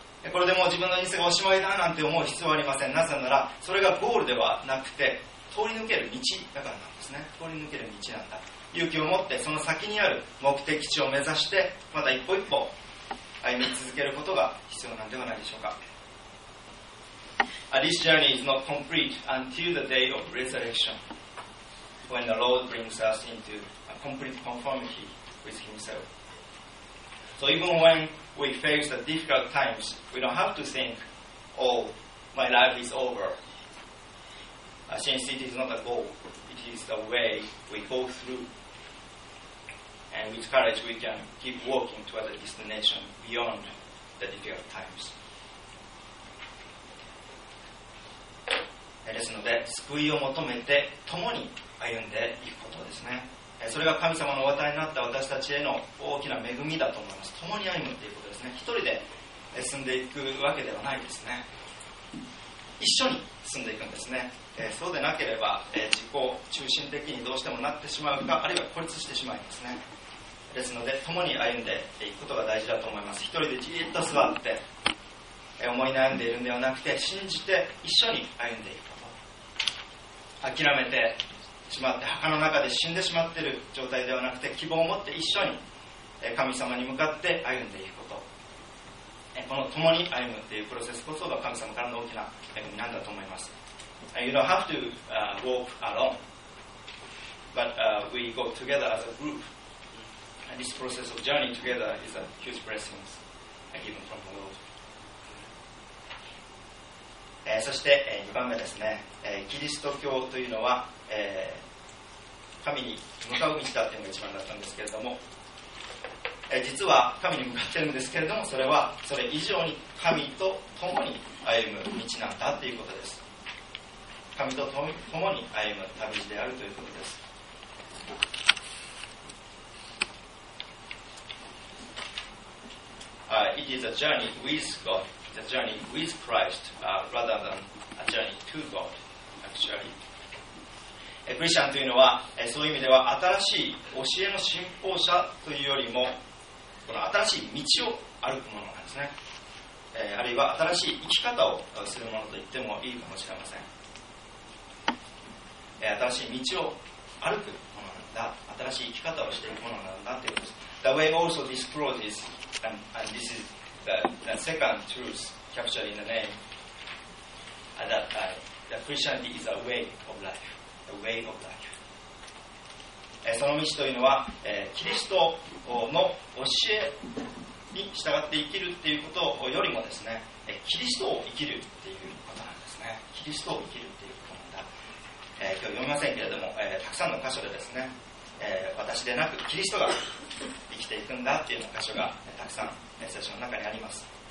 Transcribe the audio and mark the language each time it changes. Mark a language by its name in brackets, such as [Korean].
[Japanese] これでもう自分の人生がおしまいだなんて思う必要はありません。なぜならそれがゴールではなくて、通り抜ける道だからなんですね。通り抜ける道なんだ。勇気を持ってその先にある目的地を目指して、また一歩一歩歩み続けることが必要なんではないでしょうか。 [English] This journey is not complete until the day of resurrection, when the Lord brings us into a complete conformity with himself. So even when we face the difficult times, we don't have to think, oh, my life is over. Since it is not a goal, it is the way we go through. And with courage, we can keep walking toward the destination beyond the difficult times. [Japanese] ですので、救いを求めて共に歩んでいくことですね。それが神様のお与えになった私たちへの大きな恵みだと思います。共に歩むということですね。一人で進んでいくわけではないですね。一緒に進んでいくんですね。そうでなければ、自己中心的にどうしてもなってしまうか、あるいは孤立してしまいますね。ですので、共に歩んでいくことが大事だと思います。一人でじっと座って、思い悩んでいるのではなくて、信じて一緒に歩んでいくこと。諦めてしまって、墓の中で死んでしまっている状態ではなくて、希望を持って一緒に神様に向かって歩んでいくこと。この共に歩むっていうプロセスこそが神様からの大きな恵みなんだと思います。 [English] You don't have to walk alone, but we go together as a group. And this process of journey together is a huge blessing given from the Lord. [Japanese] そして2番目ですね。キリスト教というのは、神に向かう道だというのが一番だったんですけれども、実は神に向かっているんですけれども、それはそれ以上に神と共に歩む道なんだということです。神と共に歩む旅路であるということです。 [English] It is a journey with God, it's a journey with Christ, rather than a journey to God, actually. [Japanese] クリスチャンというのは、そういう意味では新しい教えの信奉者というよりも、この新しい道を歩くものなんですね。あるいは新しい生き方をするものと言ってもいいかもしれません。新しい道を歩くものなんだ、新しい生き方をしていくものなんだということです。 [English] The way also discloses, and this is the second truth captured in the name, that the Christianity is a way of life, a way of life. [Japanese] その道というのは、キリストの教えに従って生きるということよりもですね、キリストを生きるということなんですね。キリストを生きるということなんだ。今日読みませんけれども、たくさんの箇所でですね、私でなくキリストが生きていくんだというような箇所がたくさんメッセージの中にあります。